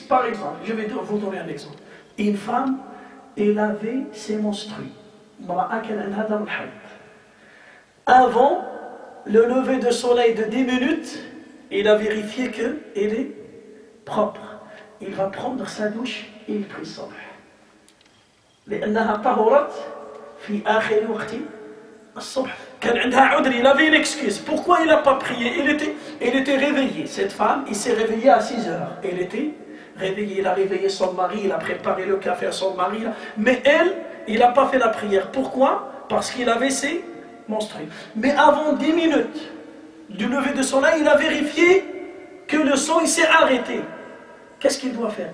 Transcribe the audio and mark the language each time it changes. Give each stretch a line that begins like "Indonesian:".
French: Par exemple, je vais vous donner un exemple. Une femme, elle avait ses menstrues.
Arabic: امرأة كان عندها دم الحيض.
French: Avant le lever de soleil de 10 minutes, il a vérifié que elle est propre. Il va prendre sa douche et il prie صبح.
Arabic: لأنها طهرت في آخر وقت الصبح.
French: Il avait une excuse. Pourquoi il n'a pas prié? Il était réveillé. Cette femme, il s'est réveillé à 6 heures. Elle était réveillée. Il a réveillé son mari. Il a préparé le café à son mari. Mais elle, il n'a pas fait la prière. Pourquoi? Parce qu'il avait ses menstrues. Mais avant 10 minutes du lever de soleil, il a vérifié que le sang il s'est arrêté. Qu'est-ce qu'il doit faire?